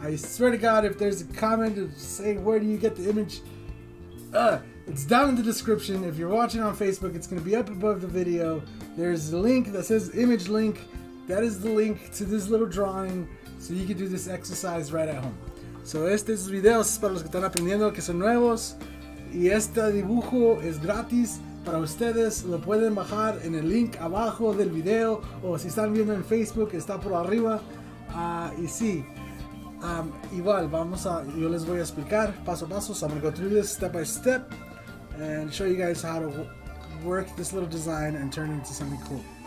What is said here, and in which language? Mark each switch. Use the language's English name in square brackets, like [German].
[English] I swear to God, if there's a comment to say where do you get the image, it's down in the description. If you're watching on Facebook, it's gonna be up above the video. There's a link that says image link. That is the link to this little drawing, so you can do this exercise right at home. [Spanish] So estos videos para los que están aprendiendo que son nuevos. Y este dibujo es gratis para ustedes. Lo pueden bajar en el link abajo del video. O si están viendo en Facebook, está por arriba. Y sí, igual, yo les voy a explicar paso a paso. [English] So I'm gonna go through this step by step and show you guys how to work this little design and turn it into something cool.